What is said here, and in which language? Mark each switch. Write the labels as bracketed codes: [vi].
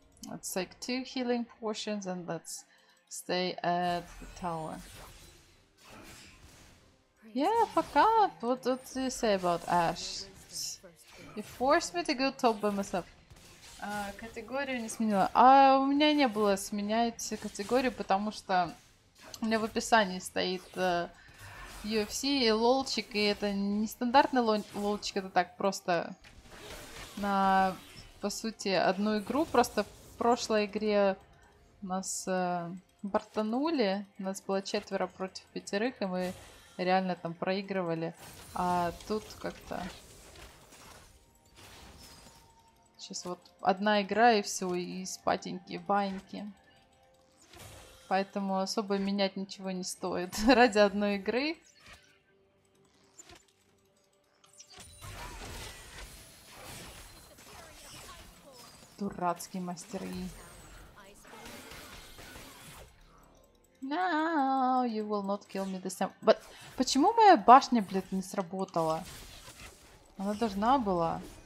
[en] Let's take two healing potions and let's stay at the tower. Yeah, fuck up! What do you say about Ash? You forced me to go top by myself. [ru] Категорию не сменила. А у меня не было сменять категорию, потому что у меня в описании стоит UFC и лолчик, и это не стандартный лолчик, это так просто на, по сути, одну игру. Просто в прошлой игре нас бортанули, нас было четверо против пятерых, и мы реально там проигрывали. А тут как-то... Сейчас вот одна игра и все, и спатенькие баньки. Поэтому особо менять ничего не стоит ради одной игры. Дурацкие мастеры. [en] No, you will not kill me this time. [ru] But почему моя башня, блядь, не сработала? Она должна была.